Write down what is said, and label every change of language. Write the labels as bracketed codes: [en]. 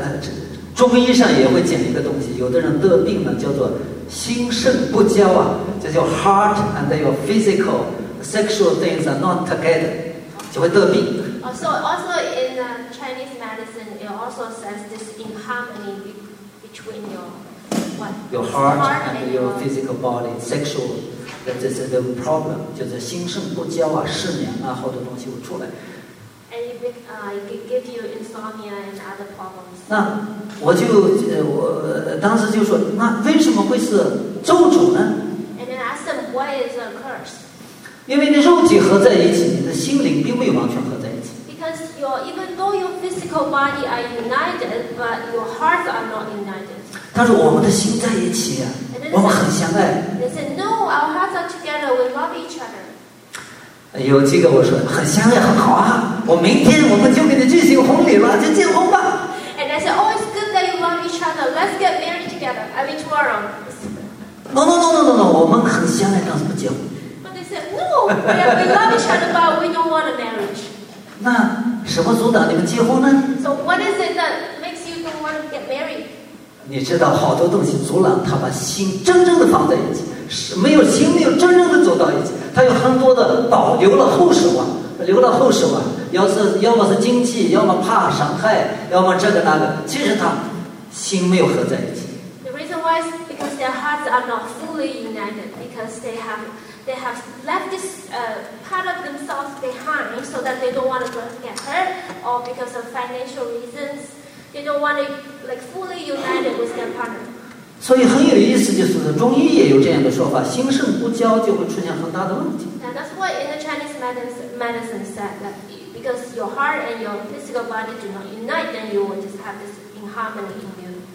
[zh] 那其实如果中医上也会讲一个东西，有的人得病呢叫做心肾不交啊，这叫 [en] heart and your physical sexual things are not together， [zh] 就会得病。 [en] So also in Chinese medicine, it also says this inharmony between your what? Your heart and your physical body, sexual. [zh] 这是个 problem， 就是心肾不交啊，失眠啊，好多东西会出来。 [en] And it give you insomnia and other problems. [zh] 那我就我当时就说，那为什么会是咒诅呢？ [en] And then ask them why is a curse. [zh] 因为你肉体合在一起，你的心灵并没有完全合在一起。 [en] Because your even though your physical body are united, but your hearts are not united. [zh] 他说我们的心在一起啊。我们很相爱。 [en] They said, "No, our hearts are together. We love each other." [zh] 哎呦，这个我说很相爱很好啊！我明天我们就给你举行婚礼了，就结婚吧。 [en] And I said, "Oh, it's good that you love each other. Let's get married together. I mean, tomorrow." No. [zh] 我们很相爱，干什么结婚？ [en] But they said, "No, we love each other, but we don't want a marriage." [zh] 那什么阻挡你们结婚呢？ [en] So what is it that makes you don't want to get married? [zh] 你知道好多东西阻拦他把心真正的放在一起，是没有心没有真正的走到一起，他有很多的导留了后手啊，留了后手啊，要是要么是经济，要么怕伤害，要么这个那个，其实他心没有合在一起。 [en] The reason why is because their hearts are not fully united because they have left this part of themselves behind so that they don't want to get hurt or because of financial reasons. They don't want to like fully united with their partner. [zh] 所以很有意思，就是中医也有这样的说法：心肾不交就会出现很大的问题。 [en] And that's why in the Chinese medicine said that because your heart and your physical body do not unite, then you will just have this inharmony in you.